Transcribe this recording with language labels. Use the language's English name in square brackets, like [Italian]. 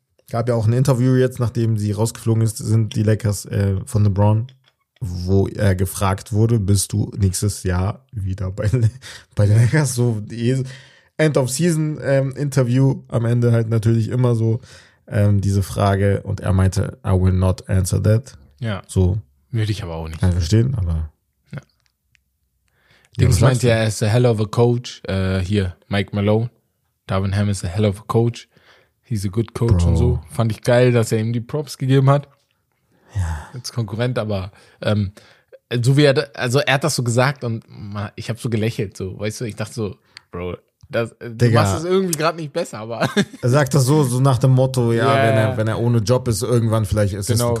[German] Gab ja auch ein Interview jetzt, nachdem sie rausgeflogen ist, sind die Lakers von LeBron, wo er gefragt wurde, bist du nächstes Jahr wieder bei den Lakers? So, End-of-Season-Interview am Ende halt natürlich immer so. diese Frage und er meinte, [English] I will not answer that. [German] Ja. So. Würde ich aber auch nicht. Kann ich verstehen, aber. Ja. Dings meinte ja, er ist [English] a hell of a coach. [German] Hier, Mike Malone. [English] Darvin Ham is a hell of a coach. He's a good coach, Bro. [German] Und so. Fand ich geil, dass er ihm die Props gegeben hat. Ja. Als Konkurrent, aber so wie er, also er hat das so gesagt und ich habe so gelächelt, so, weißt du, ich dachte so, Bro, das, du machst es irgendwie gerade nicht besser, aber. Er sagt das so nach dem Motto, ja, yeah. wenn er ohne Job ist, irgendwann vielleicht Assistant genau.